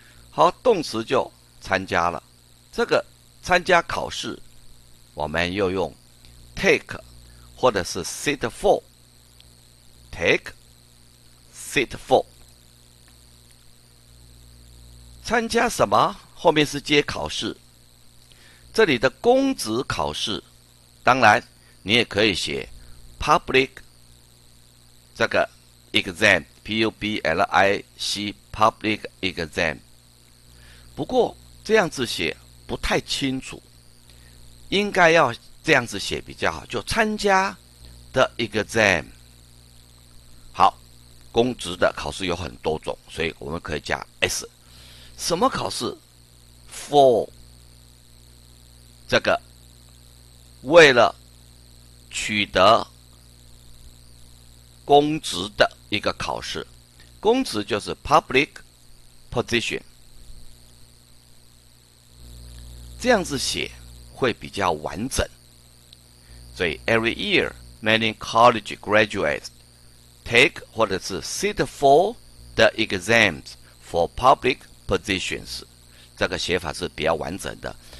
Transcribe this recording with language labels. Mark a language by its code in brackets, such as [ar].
[zh] 好，动词就参加了，这个参加考试我们又用 take 或者是 sit for， take sit for。参加什么？后面是接考试，这里的公职考试，当然你也可以写 public 这个 exam public public exam。不过这样子写不太清楚，应该要这样子写比较好，就参加的 exam。公职的考试有很多种，所以我们可以加 S。什么考试？For 这个为了取得公职的一个考试，公职就是 public position，这样子写会比较完整。 [en] 所以 every year many college graduates take 或者是 sit for the exams for public positions，这个写法是比较完整的。